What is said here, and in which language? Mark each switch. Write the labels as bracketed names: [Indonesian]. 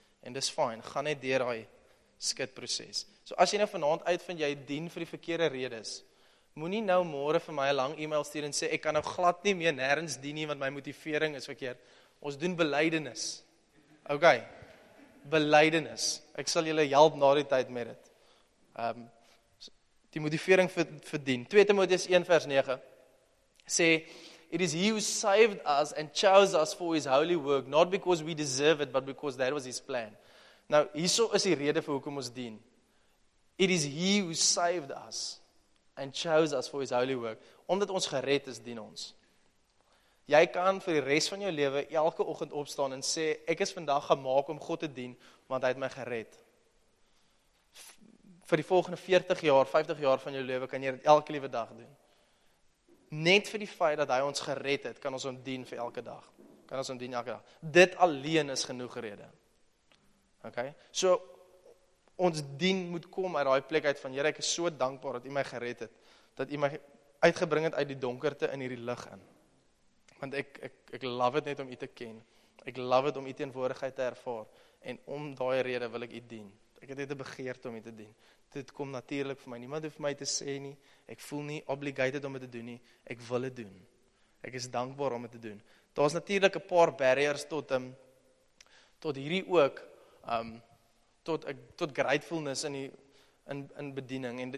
[Afrikaans] En dis fyn, gaan net deur daai skitproses. So as jy nou vanaand uitvind jy dien vir die verkeerde redes, moenie nou môre vir my 'n lang e-mail stuur en sê ek kan nou glad nie meer nêrens dien nie want my motivering is verkeerd. Ons doen belydenis. Okay. Belydenis. Ek sal julle help na die tyd met dit. Die motivering verdien. 2 Timoteus 1 vers 9 sê, [English] it is he who saved us and chose us for his holy work, not because we deserve it, but because that was his plan. [Afrikaans] Nou, hierso is die rede vir hoekom ons dien. [English] It is he who saved us and chose us for his holy work. [Afrikaans] Omdat ons gered is, dien ons. Jy kan vir die rest van jou lewe elke oggend opstaan en sê, ek is vandag gemaak om God te dien, want hy het my gered. Vir die volgende 40 jaar, 50 jaar van jou lewe, kan jy dit elke liewe dag doen. Net vir die feit dat hy ons gered het, kan ons hom dien vir elke dag. Kan ons hom dien elke dag. Dit alleen is genoeg rede. OK? So, ons dien moet kom uit daai plek uit van, Here, ek is so dankbaar dat u my gered het, dat u my uitgebring het uit die donkerte in hierdie lig in. Want ek love het net om u te ken. Ek love het om u teenwoordigheid te ervaar. En om daai rede wil ek u dien. Ek het net 'n begeerte om dit te doen. Dit kom natuurlik vir my. Niemand hoef vir my te sê nie. Ek voel nie obligated om dit te doen nie. Ek wil dit doen. Ek is dankbaar om dit te doen. Daar's natuurlik 'n paar barriers tot hierdie ook tot gratefulness in bediening.